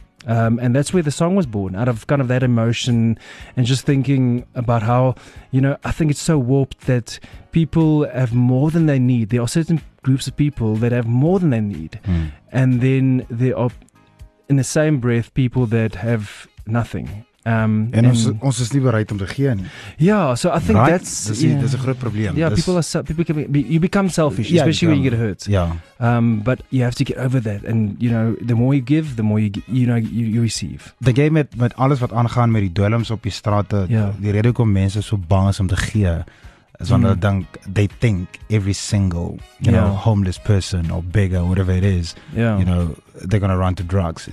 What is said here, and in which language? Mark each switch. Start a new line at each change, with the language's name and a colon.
English: And that's where the song was born, out of kind of that emotion and just thinking about how, you know, I think it's so warped that people have more than they need. There are certain groups of people that have more than they need. And then there are, in the same breath, people that have nothing.
Afrikaans: And ons is nie bereid om te gee nie.
English: Yeah, so I think
Afrikaans: dis 'n groot probleem.
English: Yeah, you become selfish, especially when you get hurt. Yeah. But you have to get over that, and you know, the more you give, the more you receive.
Afrikaans: The game met alles wat aangaan met die dwelms op die strate, die rede hoekom mense so bang is om te gee, is want
English: they think every single, you know, homeless person or beggar, whatever it is, you know, they're going to run to drugs.